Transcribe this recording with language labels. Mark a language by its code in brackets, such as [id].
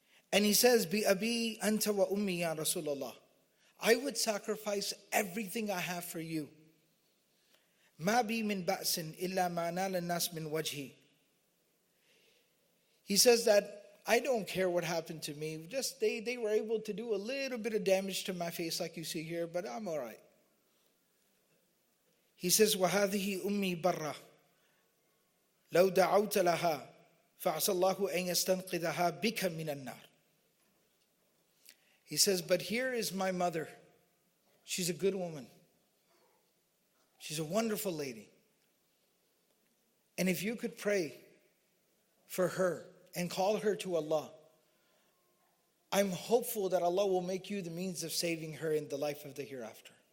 [en] And he says, [ar] "Bi abi anta wa ummi ya Rasulullah, [en] I would sacrifice everything I have for you. [ar] Ma bi min ba'sin illa ma nala an-nas min wajhi." [en] He says that I don't care what happened to me. Just they were able to do a little bit of damage to my face, like you see here, but I'm all right. He says, [ar] وَهَذِهِ أُمِّي بَرَّةٌ لَوْ دَعَوْتَ لَهَا فعسى الله أن يستنقذها بك من النار. [en] He says, but here is my mother. She's a good woman. She's a wonderful lady. And if you could pray for her and call her to Allah, I'm hopeful that Allah will make you the means of saving her in the life of the hereafter.